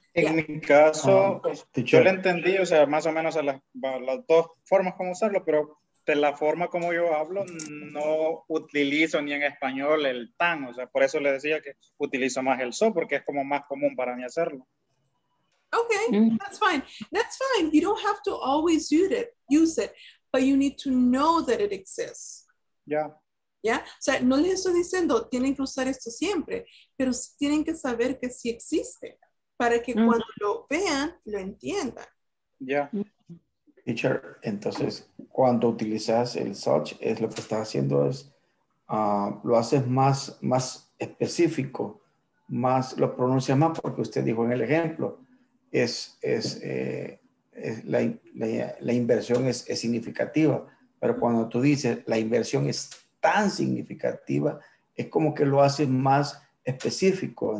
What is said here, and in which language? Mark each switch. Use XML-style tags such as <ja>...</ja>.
<es>En mi caso, yo lo entendí, o sea, más o menos a las dos formas como usarlo, pero de la forma como yo hablo, no utilizo ni en español el tan, o sea, por eso le decía que utilizo más el so, porque es como más común para mí hacerlo.</es> <en>Okay, that's fine. That's fine. You don't have to always use it, but you need to know that it exists. Yeah. Yeah?</en> <es>O sea, no les estoy diciendo, tienen que usar esto siempre, pero tienen que saber que sí existe, para que cuando lo vean, lo entiendan.</es> <en>Yeah.</en> <es>Teacher, entonces, cuando utilizas el such, es lo que estás haciendo es, lo haces más específico, más, lo pronuncias más, porque usted dijo en el ejemplo, es la inversión es significativa, pero cuando tú dices la inversión es tan significativa, es como que lo haces más específico.</es>